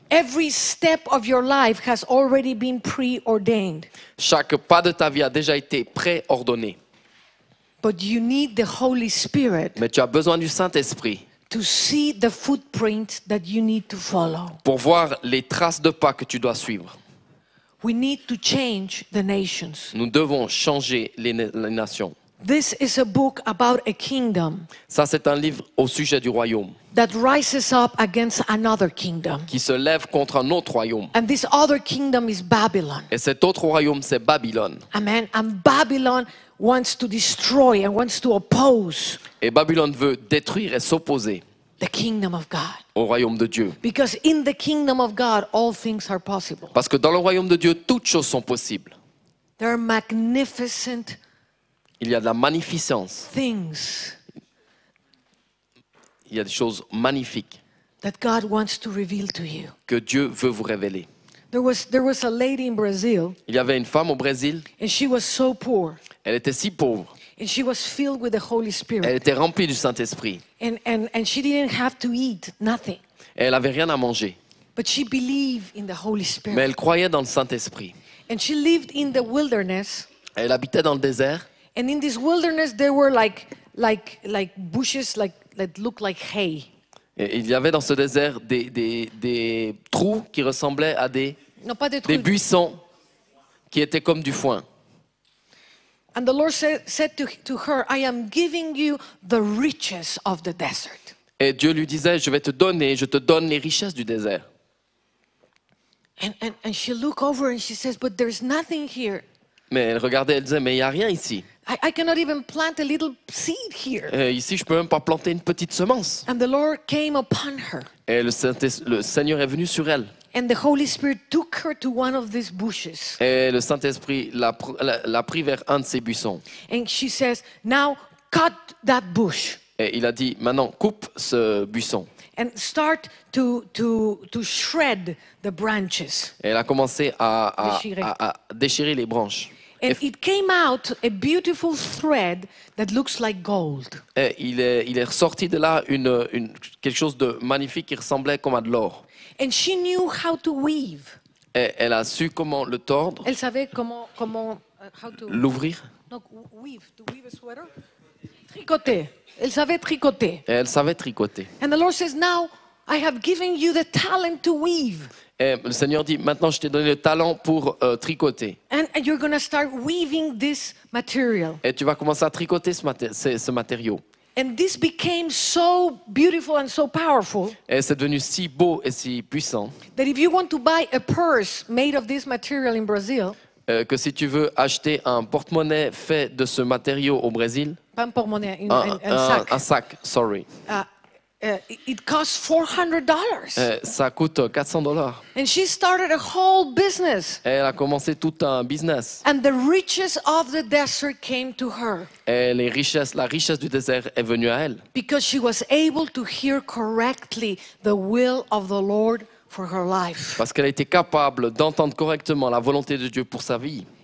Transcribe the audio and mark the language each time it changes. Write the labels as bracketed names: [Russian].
[English] Every step of your life has already been pre-ordained. [French] Chaque pas de ta vie a déjà été pré-ordonné. [English] But you need the Holy Spirit. [French] Mais tu as besoin du Saint-Esprit. [English] To see the footprint that you need to follow. [French] Pour voir les traces de pas que tu dois suivre. [English] We need to change the nations. [French] Nous devons changer les nations. [English] This is a book about a kingdom. [French] Ça c'est un livre au sujet du royaume. [English] That rises up against another kingdom. [French] Qui se lève contre un autre royaume. [English] And this other kingdom is Babylon. [French] Et cet autre royaume c'est Babylone. [English] Amen. And Babylon wants to destroy and wants to oppose. [French] Et Babylone veut détruire et s'opposer. [English] The kingdom of God. [French] Au royaume de Dieu. [English] Because in the kingdom of God, all things are possible. [French] Parce que dans le royaume de Dieu, toutes choses sont possibles. [English] There are magnificent. [French] Il y a de la magnificence. [English] Things. [French] Il y a des choses magnifiques. [English] That God wants to reveal to you. [French] Que Dieu veut vous révéler. [English] There was a lady in Brazil. [French] Il y avait une femme au Brésil. [English] And she was so poor. [French] Elle était si pauvre. [English] And she was filled with the Holy Spirit. [French] Elle était remplie du Saint-Esprit. [English] And she didn't have to eat nothing. [French] Et elle avait rien à manger. [English] But she believed in the Holy Spirit. [French] Mais elle croyait dans le Saint-Esprit. [English] And she lived in the wilderness. [French] Elle habitait dans le désert. [English] And in this wilderness there were like bushes like that looked like hay. [French] Et il y avait dans ce désert des trous qui ressemblaient à des, non, pas des trous, des buissons qui étaient comme du foin. [English] And the Lord said to her, I am giving you the riches of the desert. [French] Et Dieu lui disait, je vais te donner, je te donne les richesses du désert. [English] And she looked over and she says, but there's nothing here. [French] Mais elle regardait, elle disait, mais il n'y a rien ici. [English] I cannot even plant a little seed here. [French] Ici, je peux même pas planter une petite semence. [English] And the Lord came upon her. [French] Et le Seigneur est venu sur elle. [English] And the Holy Spirit took her to one of these bushes. [French] Et le Saint-Esprit l'a pris vers un de ces buissons. [English] And she says, "Now cut that bush." [French] Et il a dit, maintenant coupe ce buisson. [English] And start to shred the branches. [French] Et elle a commencé à déchirer les branches. [English] And it came out a beautiful thread that looks like gold. [French] Et il est ressorti de là une quelque chose de magnifique qui ressemblait comme à de l'or. [English] And she knew how to weave. [French] Et elle a su comment le tordre. Elle savait comment l'ouvrir. [English] Donc weave, to weave a sweater. Tricoter. [French] Elle savait tricoter. Et elle savait tricoter. [English] And the Lord says, now I have given you the talent to weave. [French] Et le Seigneur dit, maintenant je t'ai donné le talent pour tricoter. [English] And you're gonna start weaving this material. [French] Et tu vas commencer à tricoter ce matériau. [English] And this became so beautiful and so powerful. [French] Et c'est devenu si beau et si puissant. [English] That if you want to buy a purse made of this material in Brazil. [French] Que si tu veux acheter un porte-monnaie fait de ce matériau au Brésil. Pas un porte-monnaie, un sac. Un sac, sorry. [English] It costs $400. [French] Ça coûte $400. [English] And she started a whole business. [French] Elle a commencé tout un business. [English] And the riches of the desert came to her. [French] Et la richesse du désert est venue à elle. [English] Because she was able to hear correctly the will of the Lord for her life. [French] Parce qu'elle était capable d'entendre correctement la volonté de Dieu pour sa vie.